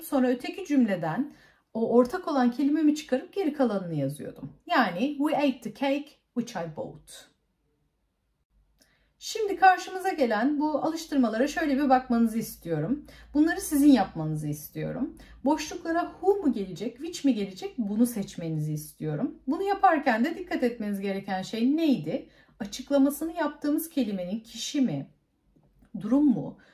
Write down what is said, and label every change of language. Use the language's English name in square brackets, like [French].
[Turkish] Sonra öteki cümleden o ortak olan kelimemi çıkarıp geri kalanını yazıyordum. [English] Yani we ate the cake, which I bought. [Turkish] Şimdi karşımıza gelen bu alıştırmalara şöyle bir bakmanızı istiyorum. Bunları sizin yapmanızı istiyorum. Boşluklara who mu gelecek, which mi gelecek bunu seçmenizi istiyorum. Bunu yaparken de dikkat etmeniz gereken şey neydi? Açıklamasını yaptığımız kelimenin kişi mi, durum mu,